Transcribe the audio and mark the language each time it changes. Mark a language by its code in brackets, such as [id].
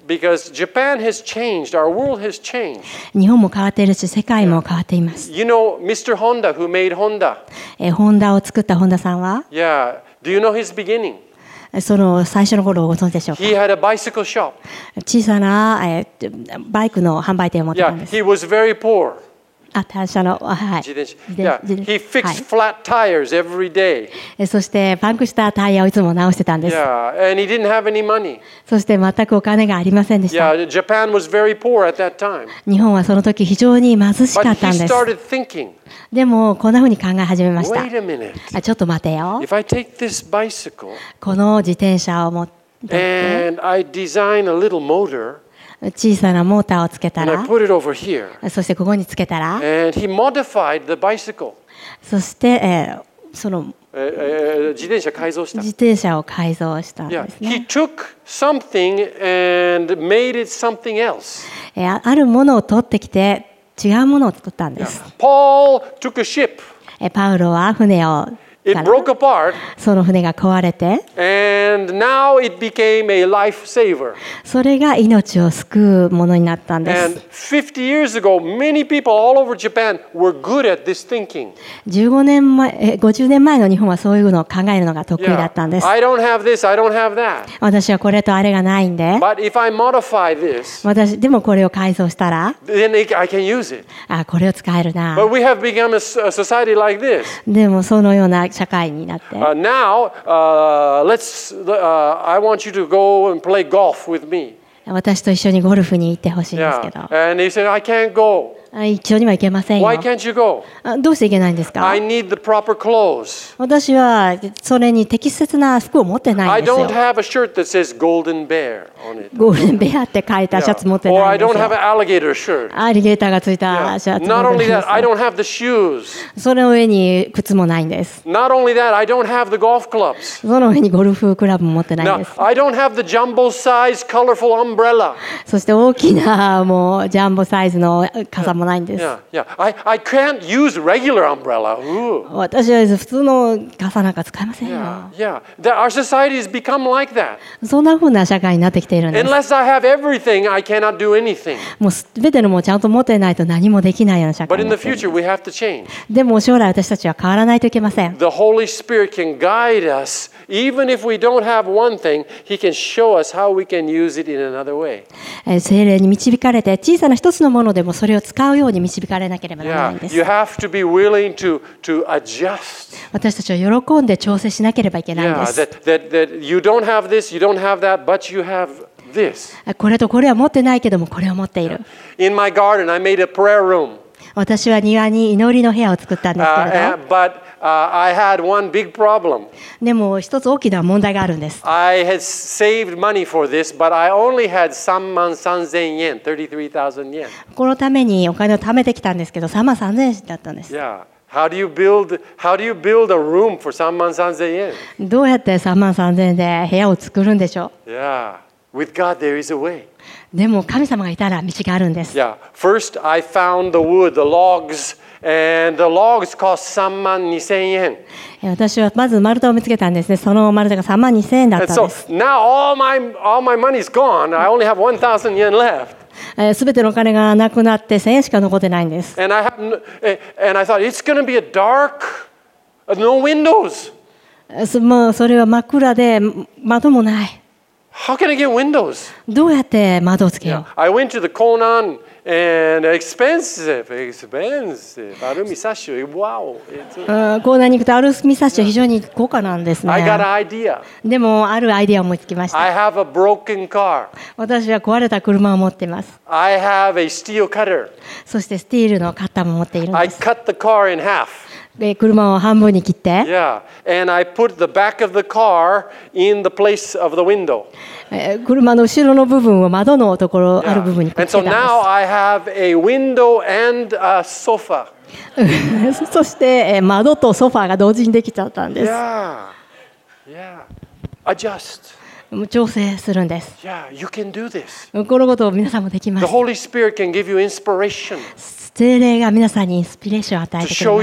[en] Yeah, because Japan has changed, our world has changed. [ja] 日本も変わっているし、世界も変わっています。 [en] You know, Mr. Honda, who made Honda. [ja] ホンダを作ったホンダさんは [en] Yeah, do you know his beginning? [ja] その最初の頃をご存知でしょうか。 [en] He had a bicycle shop. [ja] 小さなバイクの販売店を持っていたんです。 [en] Yeah, he was very poor. [ja] あ、単車の、はい。 [en] Yeah. He fixed flat tires every day. [ja] そしてパンクしたタイヤをいつも直してたんです。 [en] Yeah. And he didn't have any money. [ja] そして全くお金がありませんでした。 [en] Yeah. Japan was very poor at that time. [ja] 日本はその時非常に貧しかったんです。 [en] But he started thinking. [ja] でもこんなふうに考え始めました。 [en] Wait a minute. [ja] あ、ちょっと待てよ。 [en] If I take this bicycle, [ja] この自転車を持って、 [en] and I design a little motor. [ja] 小さなモーターをつけたら、 [en] here, [ja] そしてここにつけたら、 [en] bicycle, [ja] そして、その自転車改造した。自転車を改造したんですね。 [en] Yeah. He took something and made it something else. [ja] あるものを取ってきて違うものを作ったんです。 [en] Yeah. Paul took a ship. [ja] パウロは船を。 [en] It broke apart, [ja] その船が壊れて、 [en] and now it became a life saver. [ja] それが命を救うものになったんです。 [en] And 50 years ago, many people all over Japan were good at this thinking. [ja] 50年前の日本はそういうのを考えるのが得意だったんです。 [en] Yeah. I don't have this, I don't have that. [ja] 私はこれとあれがないんで。 [en] But if I modify this, [ja] 私でもこれを改造したら、 [en] then I can use it. [ja] あ、これを使えるな。 [en] But we have become a society like this. [ja] でもそのような社会になって。 [en] Now, I want you to go and play golf with me. [ja] 私と一緒にゴルフに行ってほしいんですけど。 [en] Yeah. And he said, I can't go. [ja] 一緒には行けませんよ。 [en] Why can't you go? [ja] どうして行けないんですか? [en] I need the proper clothes. [ja] 私はそれに適切な服を持ってないんですよ。 [en] I don't have a shirt that says golden bear on it. [ja] ゴールデンベアって書いたシャツ持ってないんですよ。 [en] Or I don't have an alligator shirt. [ja] アリゲーターがついたシャツ持ってないんですよ。 [en] Not only that, I don't have the shoes. [ja] その上に靴もないんです。 [en] Not only that, I don't have the golf clubs. [ja] その上にゴルフクラブも持ってないんです。 [en] Now, I don't have the jumbo size colorful umbrella. [ja] そして大きなもうジャンボサイズの傘もないんです。 [en] I can't use regular umbrella. Ooh. [ja] 私は普通の傘なんか使えませんよ。 [en] Our society has become like that. [ja] そんな風な社会になってきているんです。 [en] Unless I have everything, I cannot do anything. [ja] もう全てのものをちゃんと持ってないと何もできないような社会。 [en] But in the future, we have to change. [ja] でも将来私たちは変わらないといけません。 [en] The Holy Spirit can guide us, even if we don't have one thing, He can show us how we can use it in another way. [ja] 聖霊に導かれて小さな一つのものでもそれを使うように導かれなければならないんです。 [en] You have to be willing to adjust. [ja] 私たちは喜んで調整しなければいけないんです。 [en] Yeah, that you don't have this, you don't have that, but you have this. [ja] これとこれは持ってないけどもこれを持っている。 [en] In my garden, I made a prayer room. [ja] 私は庭に祈りの部屋を作ったんですけれど。 [en] But I had one big problem. [ja] でも一つ大きな問題があるんです。 [en] I had saved money for this, but I only had 33,000 yen, 33,000 yen. [ja] このためにお金を貯めてきたんですけど、33,000円だったんです。 [en] Yeah. How do you build a room for 33,000 yen? [ja] どうやって33,000円で部屋を作るんでしょう。 [en] Yeah. With God, there is a way. [ja] でも神様がいたら道があるんです。 [en] Yeah. First, I found the wood, the logs. And the logs cost 32,000 yen. [ja] 私はまず丸太を見つけたんですね。その丸太が32,000円だったんです。 [en] So now all my money is gone. I only have 1,000 yen left. [ja] すべてのお金がなくなって1,000円しか残ってないんです。 [en] And I thought it's going to be a dark, no windows. [ja] もうそれは真っ暗で窓もない。 [en] How can I get windows? [ja] どうやって窓をつけよう。 [en] I went to the Konan. And expensive. [ja] アルミサッシュ。Wow. コーナーに行くとアルミサッシュ非常に高価なんですね。 [en] I got an idea. [ja] でもあるアイデアを思いつきました。 [en] I have a broken car. [ja] 私は壊れた車を持っています。 [en] I have a steel cutter. [ja] そしてスティールのカッターも持っているんです。 [en] I cut the car in half. [ja] 車を半分に切って。 [en] Yeah. And I put the back of the car in the place of the window. [ja] 車の後ろの部分を窓のところある部分にくっつけたんです。 [en] And so now I have a window and a sofa. [ja] そして窓とソファーが同時にできちゃったんです。 [en] Yeah. Yeah. Adjust. [ja] 調整するんです。 [en] Yeah, you can do this. [ja] このことを皆さんもできます。 [en] The Holy Spirit can give you inspiration. [ja] 聖霊が皆さんにインスピレーションを与えてくれます。